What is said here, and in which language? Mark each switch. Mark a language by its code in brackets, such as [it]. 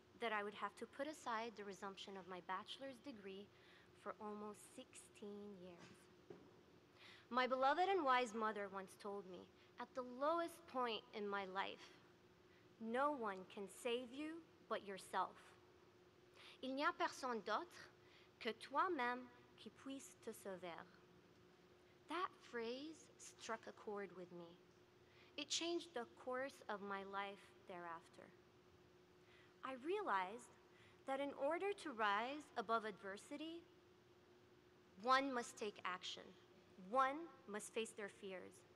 [en] that I would have to put aside the resumption of my bachelor's degree for almost 16 years. My beloved and wise mother once told me, at the lowest point in my life, no one can save you but yourself. [fr] Il n'y a personne d'autre que toi-même qui puisse te sauver. [en] That phrase struck a chord with me. It changed the course of my life thereafter. I realized that in order to rise above adversity, one must take action. One must face their fears.